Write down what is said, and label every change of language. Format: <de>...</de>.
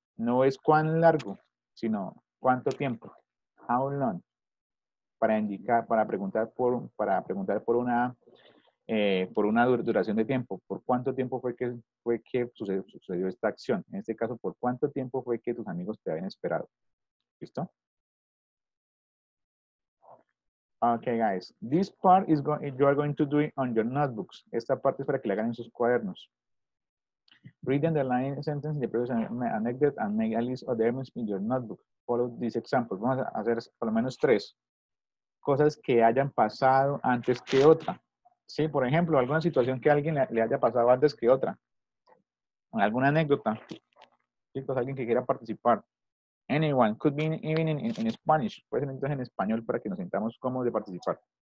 <es>No es cuán largo, sino cuánto tiempo.</es> <en>How long,</en> <es>para preguntar por una... por una duración de tiempo. ¿Por cuánto tiempo fue que sucedió esta acción? En este caso, ¿por cuánto tiempo fue que tus amigos te habían esperado? ¿Listo?</es> <en>Okay, guys. This part is you are going to do it on your notebooks.</en> <es>Esta parte es para que la hagan en sus cuadernos.</es> <en>Read the underlying sentence, the previous anecdote, and make a list of the elements in your notebook. Follow this example.</en> <es>Vamos a hacer por lo menos tres cosas que hayan pasado antes que otra. Sí, por ejemplo, alguna situación que alguien le haya pasado antes que otra. Alguna anécdota. Chicos, alguien que quiera participar.</es> <en>Anyone, could be even in Spanish.</en> <es>Puede ser entonces en español para que nos sintamos cómodos de participar.</es>